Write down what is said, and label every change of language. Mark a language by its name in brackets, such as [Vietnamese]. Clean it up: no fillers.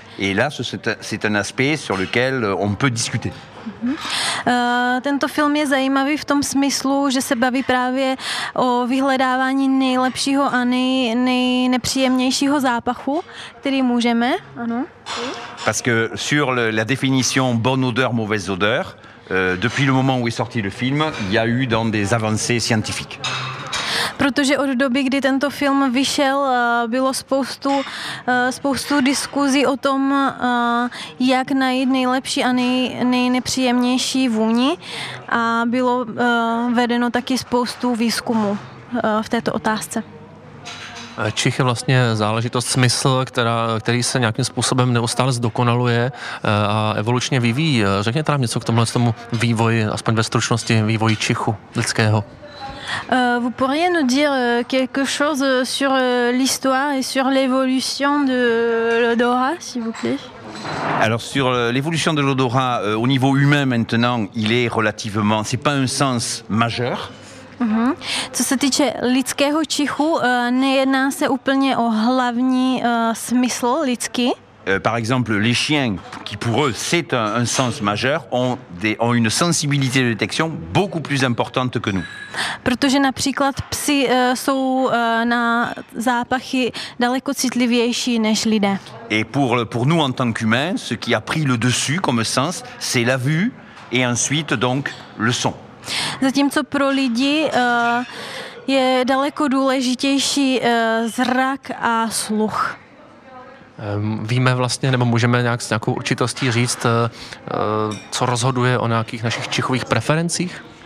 [French] Et là, c'est un aspect sur lequel on peut discuter. [Czech] Tento film je zajímavý v tom smyslu, že se baví právě o vyhledávání nejlepšího a nejnepříjemnějšího zápachu, který můžeme. Ano. [French] Parce que sur la définition bonne odeur, mauvaise odeur, depuis le moment où est sorti le film, il y a eu dans des avancées scientifiques. [Czech] Protože od doby, kdy tento film vyšel, bylo spoustu diskuzí o tom, jak najít nejlepší a nejnepříjemnější vůni, a bylo vedeno taky spoustu výzkumu v této otázce. Čich je vlastně záležitost smysl, který se nějakým způsobem neustále zdokonaluje a evolučně vyvíjí. Řekněte nám něco k tomu vývoji, aspoň ve stručnosti vývoji čichu lidského. [French] Vous pourriez nous dire quelque chose sur l'histoire et sur l'évolution de l'odorat, s'il vous plaît? Alors sur l'évolution de l'odorat au niveau humain maintenant, il est relativement, c'est pas un sens majeur. Mm-hmm. [Czech] Co se týče lidského čichu, nejedná se úplně o hlavní smysl lidský. [French] par exemple, les chiens, qui pour eux, c'est un sens majeur, ont une sensibilité de détection beaucoup plus importante que nous. [Czech] Protože například psi jsou na zápachy daleko citlivější než lidé. [French] Et pour nous en tant qu'humains, ce qui a pris le dessus comme sens, c'est la vue et ensuite donc le son. [Czech] Zatímco pro lidi je daleko důležitější zrak a sluch. Víme vlastně, nebo můžeme nějak s nějakou určitostí říct, co rozhoduje o nějakých našich čichových preferencích?